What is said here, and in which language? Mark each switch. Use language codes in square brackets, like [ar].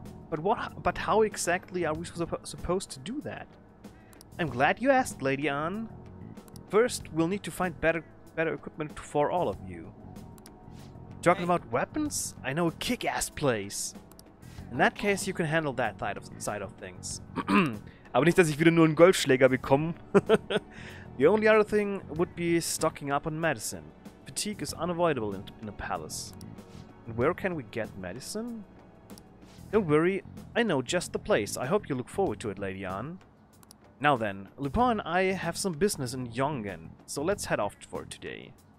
[en] But how exactly are we supposed to do that? I'm glad you asked, Lady Anne. First, we'll need to find better equipment for all of you. Talking about weapons? I know a kick-ass place. In that case, you can handle that side of things. [de] Aber nicht, dass ich wieder nur einen Golfschläger bekomme. [en] The only other thing would be stocking up on medicine. Fatigue is unavoidable in a palace. And where can we get medicine? Don't worry, I know just the place. I hope you look forward to it, Lady Anne. Now then, Lupin and I have some business in Yongen, so let's head off for today.